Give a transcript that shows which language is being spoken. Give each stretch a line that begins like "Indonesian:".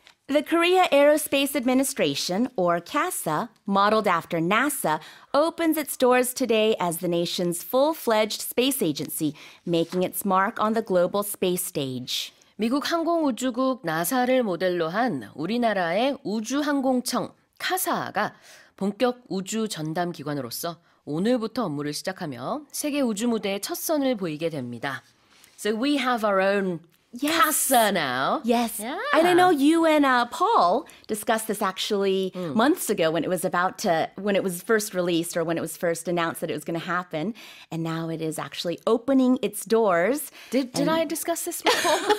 English: The Korea AeroSpace Administration, or Kasa, modeled after NASA, opens its doors today as the nation's full-fledged space agency, making its mark on the global space stage.
Korean: 미국 항공우주국 NASA를 모델로 한 우리나라의 우주항공청 Kasa가 본격 우주 전담 기관으로서 오늘부터 업무를 시작하며 세계 우주 무대에 첫 선을 보이게 됩니다.
English: So we have our own Kasa now. Yes. Yeah. And I know you and Paul discussed this actually months ago when it was about to, when it was first released or when it was first announced that it was going to happen. And now it is actually opening its doors. Did I discuss this before?